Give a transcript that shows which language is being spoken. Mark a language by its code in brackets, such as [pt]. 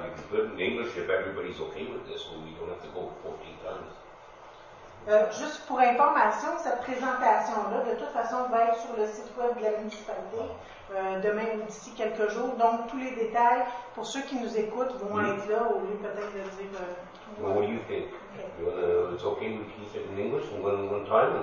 [en] You can put it in English if everybody's okay with this, when we don't have to go 14 times. [fr] Juste pour information, cette présentation-là, de toute façon, va être sur le site web de la municipalité demain ou d'ici quelques jours. Donc, tous les détails, pour ceux qui nous écoutent, vont être là, au lieu peut-être de dire... [en] What do you think? Okay. You wanna, it's okay to keep it in English for one time?